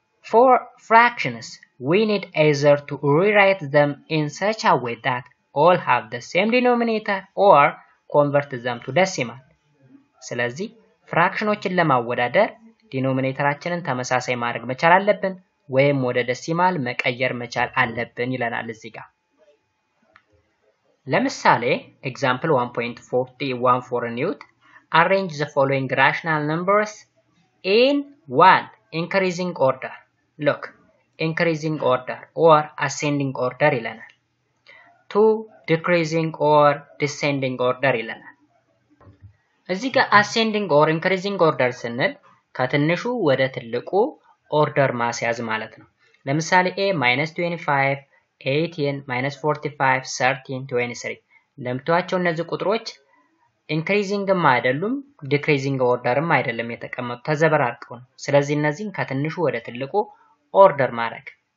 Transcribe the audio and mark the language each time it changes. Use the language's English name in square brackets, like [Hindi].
[English] For fractions, we need either to rewrite them in such a way that all have the same denominator or convert them to decimal. [Amharic] ስለዚህ ፍራክሽኖችን ለማወዳደር ዲኖሚኔተራችንን ተመሳሳይ ማድረግ መቻል አለብን ወይም ወደ ደሲማል መቀየር መቻል አለብን ይለናል እዚህ ጋር. ለምሳሌ example 1.414 newt [English] Arrange the following rational numbers in 1 increasing order. Look, increasing order or ascending order ይለናል. 2 decreasing or descending order ይለናል. [Amharic] እዚህ ጋር ascending or increasing order ስንል ከትንሹ ወደ ትልቁ order ማስያዝ ማለት ነው. ለምሳሌ a -25 18 -45 13 23 ለምታቸው እነዚህ ቁጥሮች increasing ማይደሉም decreasing orderም አይደለም የተቀመጡ ተዘበራርቀው ነው ስለዚህ እነዚህን ከትንሹ ወደ ትልቁ order ማድረግ